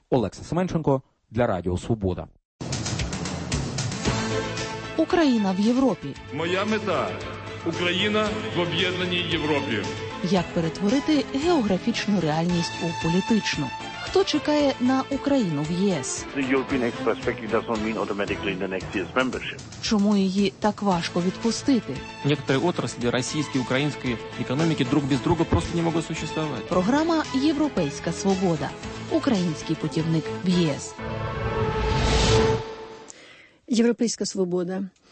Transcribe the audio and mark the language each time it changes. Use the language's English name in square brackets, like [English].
[Ukrainian] Олекса Семенченко для Радіо Свобода. Україна в Європі. Моя мета – Україна в об'єднаній Європі. Як перетворити географічну реальність у політичну? Хто чекає на Україну в ЄС? [English] The European Next Perspective doesn't mean automatically the next year's membership. [Ukrainian] Чому її так важко відпустити? Некоторі отраслі російської, української економіки друг без друга просто не можуть существувати. Програма «Європейська свобода». Український путівник в ЄС. Європейська свобода.